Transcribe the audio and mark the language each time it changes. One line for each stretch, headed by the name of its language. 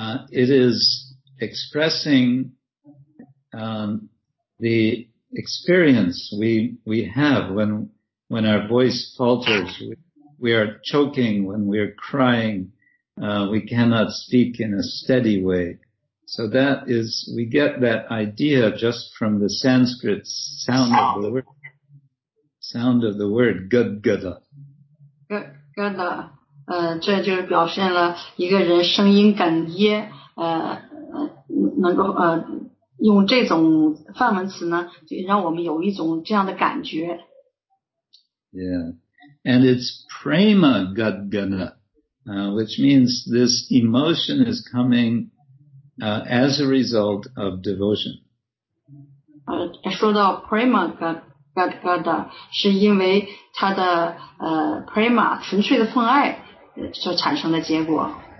English: It is expressing, the experience we have when our voice falters, we are choking, when we are crying, we cannot speak in a steady way. So that is, we get that idea just from the Sanskrit sound of the word, gadgada.
Chinese: Gadgada, 这就是表现了一个人声音哽咽能够用这种梵文词呢就让我们有一种这样的感觉。
English: Yeah. And it's prema gadgada, which means this emotion is coming, as a result of devotion.
Chinese: 说到 prema gadgada, 是因为他的prema, 纯粹的奉爱所产生的结果。